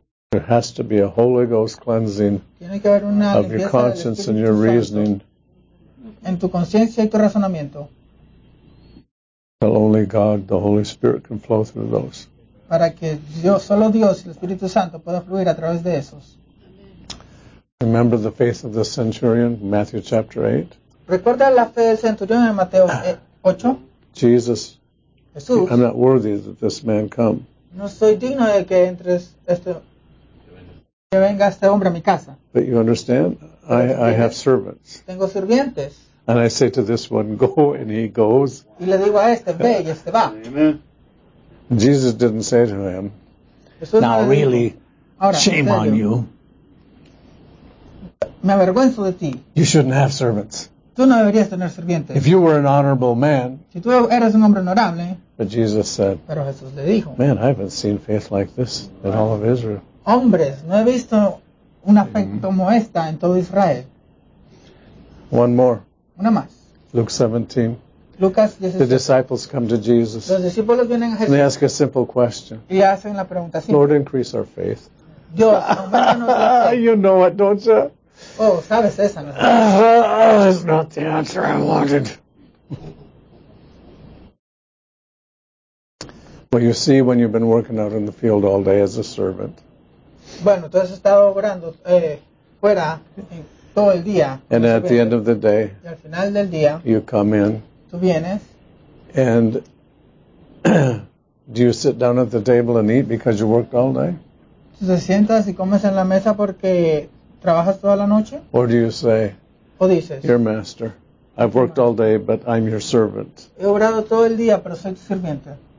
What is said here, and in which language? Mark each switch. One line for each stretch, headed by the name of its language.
English: There has to be a Holy Ghost cleansing.
Spanish: Tiene que haber una
English: of your conscience and your reasoning.
Spanish: En tu conciencia y tu razonamiento.
English: Well, only God, the Holy Spirit, can flow through those.
Spanish: Para que Dios, solo Dios y el Espíritu Santo pueda fluir a través de esos.
English: Remember the faith of the centurion, Matthew chapter 8.
Spanish: Recuerda la fe del centurión en Mateo 8.
English: Jesus.
Spanish: Jesús.
English: I'm not worthy that this man come.
Spanish: No soy digno de que entres que venga este hombre a mi casa.
English: But you understand? I have servants.
Spanish: Tengo sirvientes.
English: And I say to this one, go, and he goes.
Spanish: Y le digo a este, ve, y este va.
English: Amen. Jesus didn't say to him,
Spanish: Jesús
English: now
Spanish: no
English: really,
Spanish: ahora,
English: shame on you.
Spanish: Me avergüenzo de ti.
English: You shouldn't have servants.
Spanish: Tú no deberías tener sirvientes.
English: If you were an honorable man,
Spanish: si tú eras un hombre honorable,
English: but Jesus said,
Spanish: pero Jesús le dijo,
English: man, I haven't seen faith like this in all of Israel.
Spanish: Hombres, no he visto una fe como esta en todo Israel.
English: One more.
Spanish: Una más.
English: Luke 17.
Spanish: Lucas 17.
English: The disciples come to Jesus.
Spanish: Los discípulos vienen a Jesús.
English: And they ask a simple question.
Spanish: Y hacen la pregunta simple.
English: Lord, increase our faith.
Spanish: Dios, aumenta nuestra fe.
English: You know it, don't you?
Spanish: Oh, sabes esa.
English: That's not the answer I wanted. Well, you see, when you've been working out in the field all day as a servant.
Spanish: Bueno, tú has estado obrando fuera todo el día.
English: And at the end of the day,
Spanish: y al final del día,
English: you come in.
Spanish: Tú vienes.
English: And do you sit down at the table and eat because you worked all day?
Spanish: ¿Tú te sientas y comes en la mesa porque trabajas toda la noche?
English: Or do you say,
Spanish: ¿o dices,
English: your master, I've worked all day, but I'm your servant.
Spanish: He obrado todo el día, pero soy tu sirviente.